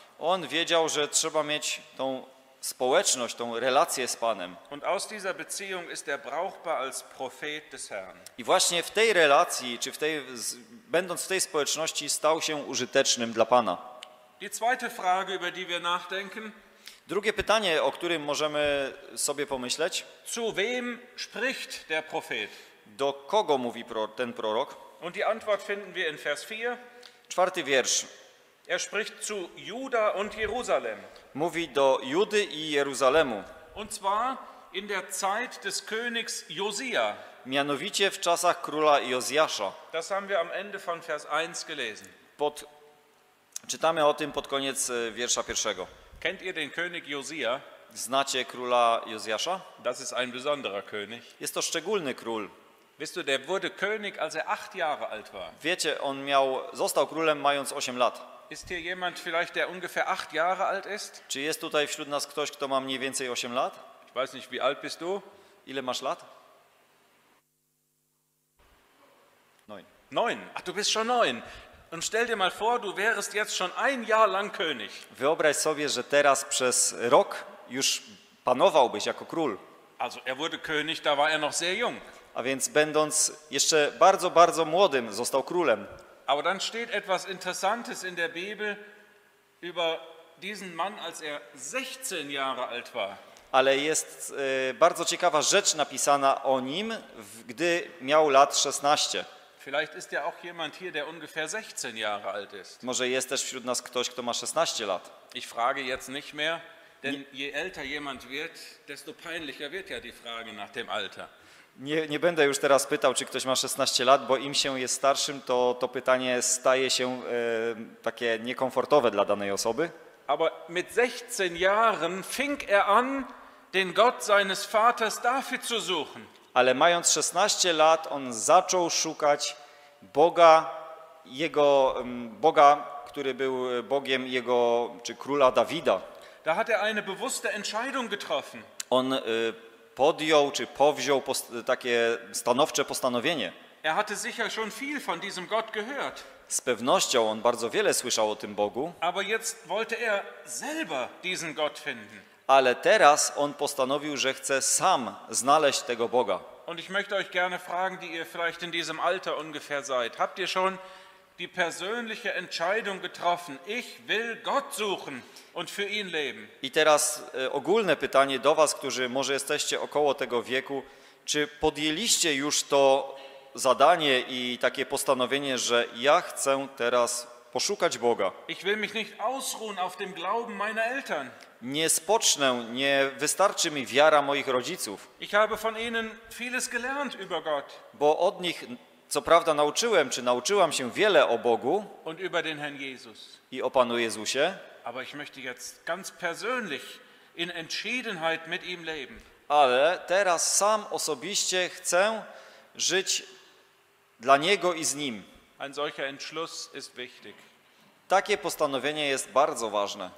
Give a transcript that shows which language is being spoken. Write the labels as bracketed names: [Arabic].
[Polish] On wiedział, że trzeba mieć tą społeczność, tą relację z Panem. [German] Und aus dieser Beziehung ist er brauchbar als Prophet des Herrn. [Polish] I właśnie w tej relacji, czy będąc w tej społeczności, stał się użytecznym dla Pana. [German] Die zweite Frage, über die wir nachdenken. [Polish] Drugie pytanie, o którym możemy sobie pomyśleć. [German] Zu wem spricht der Prophet? [Polish] Do kogo mówi ten prorok? [German] Und die Antwort finden wir in Vers 4. [Polish] Czwarty wiersz. [German] Er spricht zu Juda und Jerusalem. [Polish] Mówi do Judy i Jeruzalemu. [German] Und zwar in der Zeit des Königs Josia. [Polish] Mianowicie w czasach króla Jozjasza. [German] Das haben wir am Ende von Vers 1 gelesen. [Polish] Czytamy o tym pod koniec wiersza pierwszego. [German] Kennt ihr den König Josia? [Polish] Znacie króla Jozjasza? [German] Das ist ein besonderer König. [Polish] Jest to szczególny król. [German] Wisst du, der wurde König, als er 8 Jahre alt war. [Polish] Wiecie, on miał, został królem, mając 8 lat. [German] Ist hier jemand vielleicht, der ungefähr 8 Jahre alt ist? [Polish] Czy jest tutaj wśród nas ktoś, kto ma mniej więcej 8 lat? [German] Ich weiß nicht, wie alt bist du? [Polish] Ile masz lat? [German] 9. 9. Ach, du bist schon 9. Und stell dir mal vor, du wärest jetzt schon ein Jahr lang König. [Polish] Wyobraź sobie, że teraz przez rok już panowałbyś jako król. [German] Also, er wurde König, da war er noch sehr jung. [Polish] A więc będąc jeszcze bardzo, bardzo młodym, został królem. [German] Aber dann steht etwas Interessantes in der Bibel über diesen Mann, als er 16 Jahre alt war. [Polish] Ale jest bardzo ciekawa rzecz napisana o nim, gdy miał lat 16. [German] Vielleicht ist ja auch jemand hier, der ungefähr 16 Jahre alt ist. [Polish] Może jest też wśród nas ktoś, kto ma 16 lat. [German] Ich frage jetzt nicht mehr, denn je älter jemand wird, desto peinlicher wird ja die Frage nach dem Alter. [Polish] Nie będę już teraz pytał, czy ktoś ma 16 lat, bo im się jest starszym, to pytanie staje się takie niekomfortowe dla danej osoby. [German] Aber mit 16 Jahren fing er an, den Gott seines Vaters David zu suchen. [Polish] Ale mając 16 lat, on zaczął szukać Boga, jego Boga, który był Bogiem jego, czy króla Dawida. [German] Da hat er eine bewusste Entscheidung getroffen. [Polish] On podjął, czy powziął takie stanowcze postanowienie. [German] Er hatte sicher schon viel von diesem Gott gehört. [Polish] Z pewnością on bardzo wiele słyszał o tym Bogu. [German] Aber jetzt wollte er selber diesen Gott finden. [Polish] Ale teraz on postanowił, że chce sam znaleźć tego Boga. [German] Und ich möchte euch gerne fragen, die ihr vielleicht in diesem Alter ungefähr seid. Habt ihr schon die persönliche Entscheidung getroffen? Ich will Gott suchen und für ihn leben. [Polish] I teraz ogólne pytanie do was, którzy może jesteście około tego wieku. Czy podjęliście już to zadanie i takie postanowienie, że ja chcę teraz poszukać Boga? [German] Ich will mich nicht ausruhen auf dem Glauben meiner Eltern. [Polish] Nie spocznę, nie wystarczy mi wiara moich rodziców. [German] Ich habe von ihnen vieles gelernt über Gott. [Polish] Bo od nich, co prawda, nauczyłam się wiele o Bogu. [German] Und über den Herrn Jesus. [Polish] I o Panu Jezusie. [German] Aber ich möchte jetzt ganz persönlich in Entschiedenheit mit ihm leben. [Polish] Ale teraz sam osobiście chcę żyć dla Niego i z Nim. [German] Ein solcher Entschluss ist wichtig. [Polish] Takie postanowienie jest bardzo ważne.